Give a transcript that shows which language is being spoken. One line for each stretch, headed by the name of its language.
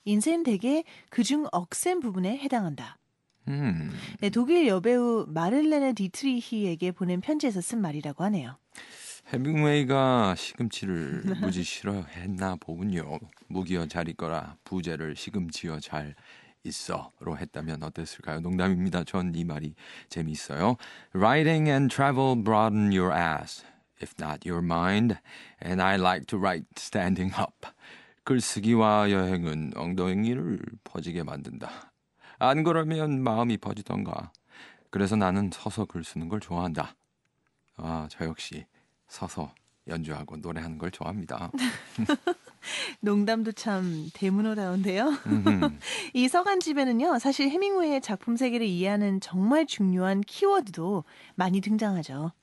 Korean: 인생 대개 그중 억센 부분에 해당한다. 네, 독일 여배우 마를레네 디트리히에게 보낸 편지에서 쓴 말이라고 하네요. 헤밍웨이가 시금치를 무지 싫어했나 보군요. 무기여 잘 있거라. 부제를 시금치여 잘 있어로 했다면 어땠을까요? 농담입니다. 전 이 말이 재미있어요.
English: Writing and travel broaden your ass, if not your mind, and I like to write standing up.
Korean: 글쓰기와 여행은 엉덩이를 퍼지게 만든다. 안 그러면 마음이 퍼지던가. 그래서 나는 서서 글 쓰는 걸 좋아한다. 아, 저 역시 서서 연주하고 노래하는 걸 좋아합니다. 농담도 참 대문호다운데요. 이 서간집에는요, 사실 헤밍웨이의 작품 세계를 이해하는 정말 중요한 키워드도 많이 등장하죠.